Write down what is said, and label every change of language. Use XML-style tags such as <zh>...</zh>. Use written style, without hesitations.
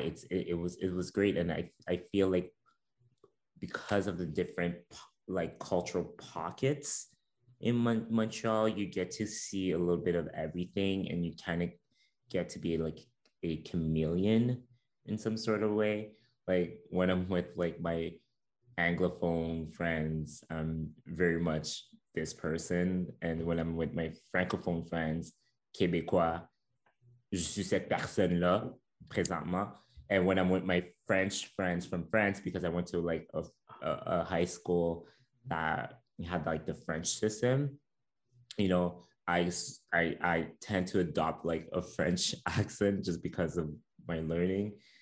<en>It was great. And I feel like, because of the different like cultural pockets in Montreal, you get to see a little bit of everything, and you kind of get to be like a chameleon in some sort of way. Like, when I'm with like my Anglophone friends, I'm very much this person. And when I'm with my Francophone friends, Québécois,</en> <fr>je suis cette personne-là présentement.</fr> <en>And when I'm with my French friends from France, because I went to like a high school that had like the French system, you know, I tend to adopt like a French accent just because of my learning.</en>